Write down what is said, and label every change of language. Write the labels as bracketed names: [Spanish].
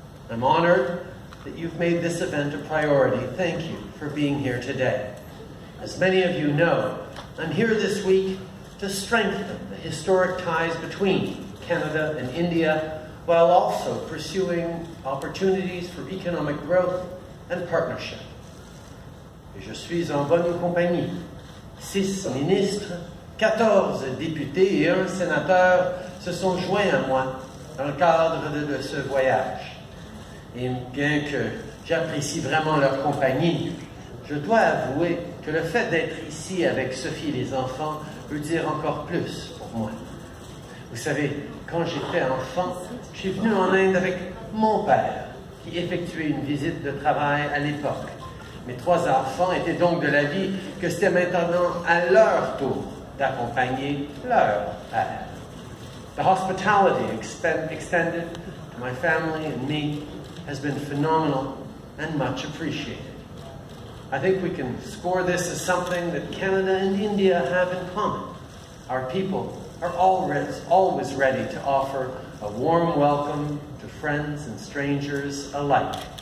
[English] I'm honored that you've made this event a priority. Thank you for being here today. As many of you know, I'm here this week to strengthen the historic ties between Canada and India, while also pursuing opportunities for economic growth and partnership. [French] Je suis en bonne compagnie. 6 ministres, 14 députés et 1 sénateur se sont joints à moi dans le cadre de ce voyage. Et bien que j'apprécie vraiment leur compagnie, je dois avouer que le fait d'être ici avec Sophie et les enfants veut dire encore plus pour moi. Vous savez, quand j'étais enfant, je suis venu en Inde avec mon père, qui effectuait une visite de travail à l'époque. Mes trois enfants étaient donc de l'avis que c'était maintenant à leur tour d'accompagner leur père. [English] The hospitality extended to my family and me has been phenomenal and much appreciated. I think we can score this as something that Canada and India have in common. Our people are always ready to offer a warm welcome to friends and strangers alike.